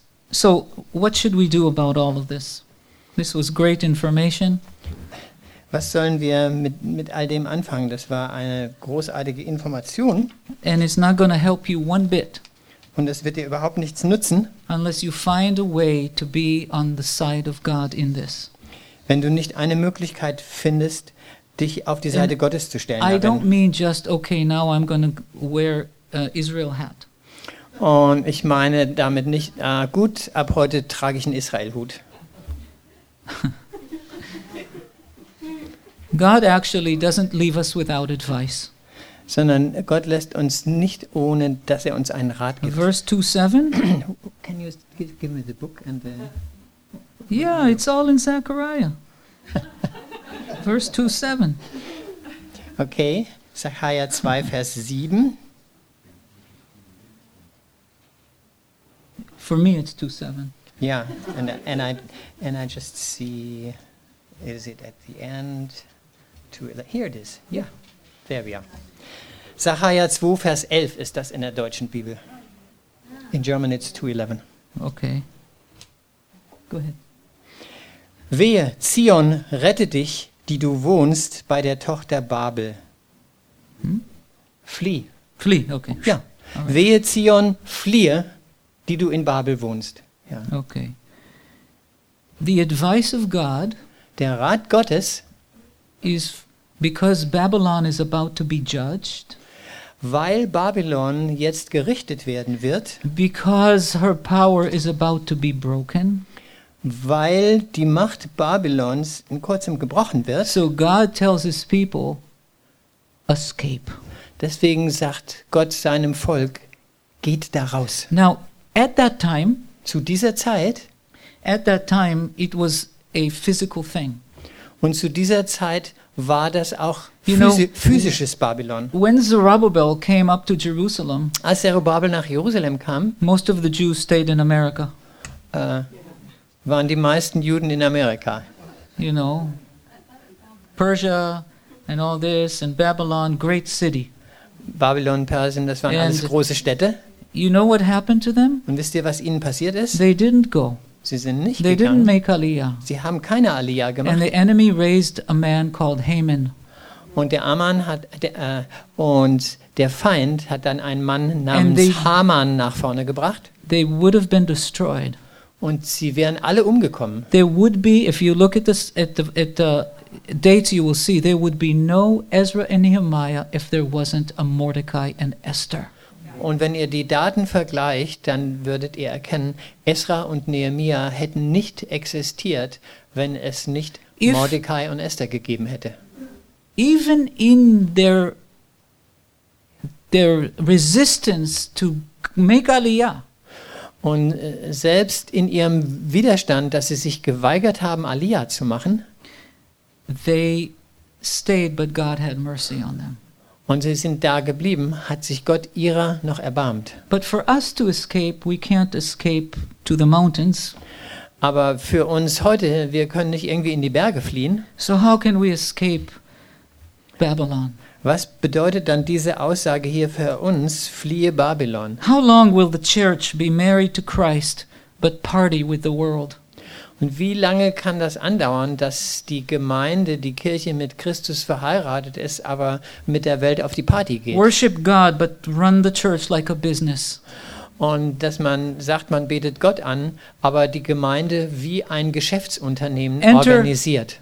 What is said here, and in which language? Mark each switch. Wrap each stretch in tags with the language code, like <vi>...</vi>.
<en>So what should we do about all of this? This was great information.</en> <de>Was sollen wir mit all dem anfangen? Das war eine großartige Information.</de> <en>And it's not going to help you one bit.</en> <de>Und es wird dir überhaupt nichts nutzen.</de> <en>Unless you find a way to be on the side of God in this.</en> <de>Wenn du nicht eine Möglichkeit findest, dich auf die Seite Gottes zu stellen.</de> <en>I don't mean just okay, now I'm going to wear Israel hat.</en> <de>Und ich meine damit nicht, gut, ab heute trage ich einen Israel-Hut.</de> <en>God actually doesn't leave us without advice.</en> <de>Sondern Gott lässt uns nicht, ohne dass er uns einen Rat gibt.</de> <en>Verse 2:7. Can you give me the book and the... Yeah, it's all in Zechariah. Verse 2:7.</en> <de>Okay. Zachariah 2, Vers 7.</de> <en>For me, it's 2:7. Yeah, and I just see, is it at the end? Here it is. Yeah, there we are.</en> <de>Zachariah 2, Vers 11 ist das in der deutschen Bibel.</de> <en>In German, it's 2:11. Okay. Go ahead.</en> <de>Wehe, Zion, rette dich, die du wohnst bei der Tochter Babel. Flieh. Flieh, okay. Ja. Alright. Wehe, Zion, fliehe, die du in Babel wohnst. Ja.</de> <en>Okay. The advice of God,</en> <de>der Rat Gottes,</de> <en>is because Babylon is about to be judged,</en> <de>weil Babylon jetzt gerichtet werden wird,</de> <en>because her power is about to be broken,</en> <de>weil die Macht Babylons in kurzem gebrochen wird.</de> <en>So God tells his people, escape.</en> <de>Deswegen sagt Gott seinem Volk, geht da raus.</de> <en>Now, at that time,</en> <de>zu dieser Zeit,</de> <en>at that time it was a physical thing.</en> <de>Und zu dieser Zeit war das auch physisches Babylon.</de> <en>When Zerubbabel came up to Jerusalem,</en> <de>als Zerubbabel nach Jerusalem kam,</de> <en>most of the Jews stayed in America.</en> <de>Waren die meisten Juden in Amerika.</de> <en>You know, Persia and all this and Babylon, great city.</en> <de>Babylon, Persien, das waren alles große Städte.</de> <en>You know what happened to them?</en> <de>Und wisst ihr, was ihnen passiert ist?</de> <en>They didn't go.</en> <de>Sie sind nicht</de> <en>they</en> <de>gegangen.</de> <en>Didn't make Aliyah.</en> <de>Sie haben keine Aliyah gemacht.</de> <en>And the enemy raised a man called Haman.</en> <de>Und der Amman hat und der Feind hat dann einen Mann namens Haman nach vorne gebracht.</de> <en>They would have been destroyed.</en> <de>Und sie wären alle umgekommen.</de> <en>There would be, if you look at this at the dates, you will see there would be no Ezra and Nehemiah if there wasn't a Mordecai and Esther.</en> <de>Und wenn ihr die Daten vergleicht, dann würdet ihr erkennen, Ezra und Nehemia hätten nicht existiert, wenn es nicht Mordecai und Esther gegeben hätte.</de> <en>Even in their resistance to make Aliyah.</en> <de>Und selbst in ihrem Widerstand, dass sie sich geweigert haben, Aliyah zu machen,</de> <en>they stayed, but God had mercy on them.</en> <de>Und sie sind da geblieben, hat sich Gott ihrer noch erbarmt.</de> <en>But for us to escape, we can't escape to the mountains.</en> <de>Aber für uns heute, wir können nicht irgendwie in die Berge fliehen.</de> <en>So how can we escape Babylon?</en> <de>Was bedeutet dann diese Aussage hier für uns, fliehe Babylon?</de> <en>How long will the church be married to Christ but party with the world?</en> <de>Und wie lange kann das andauern, dass die Gemeinde, die Kirche mit Christus verheiratet ist, aber mit der Welt auf die Party geht?</de> <en>Worship God, but run the church like a business.</en> <de>Und dass man sagt, man betet Gott an, aber die Gemeinde wie ein Geschäftsunternehmen organisiert.</de>